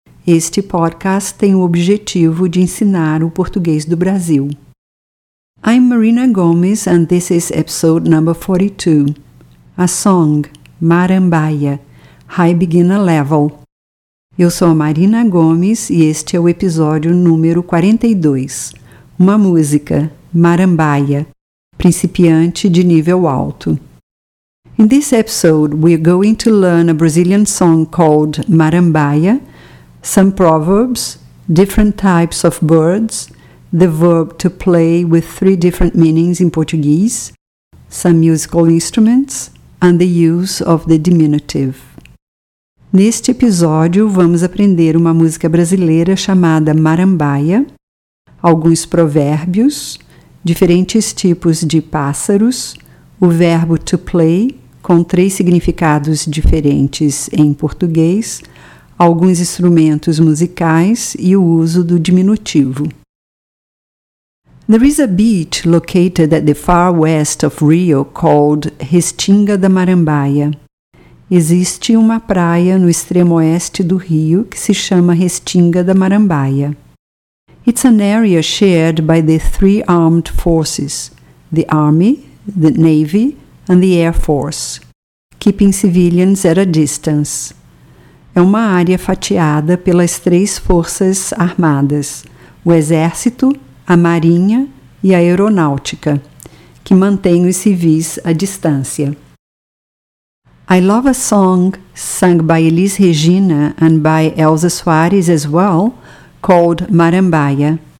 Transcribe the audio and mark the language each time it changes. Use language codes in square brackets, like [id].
[pt] Este podcast tem o objetivo de ensinar o português do Brasil. [en] I'm Marina Gomes and this is episode number 42. A song, Marambaia, High Beginner Level. [pt] Eu sou a Marina Gomes e este é o episódio número 42. Uma música, Marambaia, principiante de nível alto. [en] In this episode, we are going to learn a Brazilian song called Marambaia, some proverbs, different types of birds, the verb to play with three different meanings in Portuguese, some musical instruments, and the use of the diminutive. [pt] Neste episódio, vamos aprender uma música brasileira chamada Marambaia, alguns provérbios, diferentes tipos de pássaros, o verbo to play, com três significados diferentes em português, alguns instrumentos musicais e o uso do diminutivo. [en] There is a beach located at the far west of Rio called Restinga da Marambaia. [pt] Existe uma praia no extremo oeste do Rio que se chama Restinga da Marambaia. [en] It's an area shared by the three armed forces, the Army, the Navy, and the Air Force, keeping civilians at a distance. [pt] É uma área fatiada pelas três forças armadas, o Exército, a Marinha e a Aeronáutica, que mantém os civis à distância. [en] I love a song sung by Elis Regina and by Elsa Soares as well, called Marambaia.